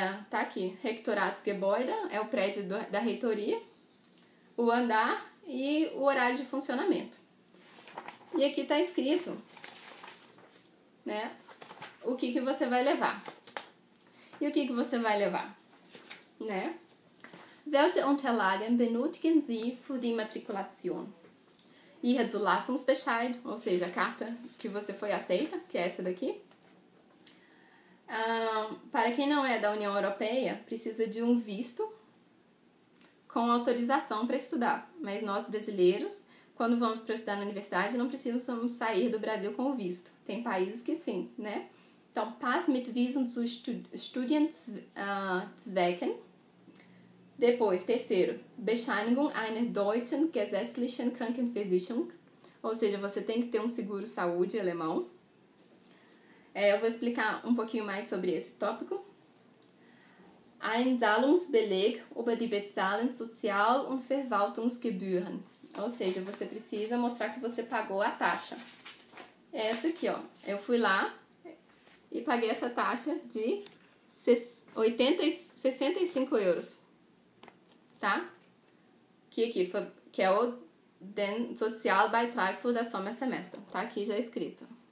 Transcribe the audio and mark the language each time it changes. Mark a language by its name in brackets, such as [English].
[Portuguese] Tá aqui, Rektoratsgebäude, é o prédio da reitoria, o andar e o horário de funcionamento. E aqui tá escrito, né, o que que você vai levar. E o que que você vai levar, né? [German] welche Unterlagen benötigen Sie für die Matrikulation? Ihr Zulassungsbescheid, [Portuguese] ou seja, a carta que você foi aceita, que é essa daqui. Para quem não é da União Europeia, precisa de um visto com autorização para estudar. Mas nós brasileiros, quando vamos para estudar na universidade, não precisamos sair do Brasil com o visto. Tem países que sim, né? Então, [German] Pass mit Visum zu Studienzwecken. [Portuguese] Depois, terceiro, [German] Bescheinigung einer deutschen gesetzlichen Krankenversicherung. [Portuguese] Ou seja, você tem que ter um seguro saúde alemão. Eu vou explicar um pouquinho mais sobre esse tópico. [German] Ein Zahlungsbeleg über die bezahlten Sozial- und Verwaltungsgebühren. [Portuguese] Ou seja, você precisa mostrar que você pagou a taxa. Essa aqui, ó. Eu fui lá e paguei essa taxa de 65 euros. Tá? Que aqui foi, que é o [German] den Sozialbeitrag für das Sommersemester. [Portuguese] Tá aqui já escrito.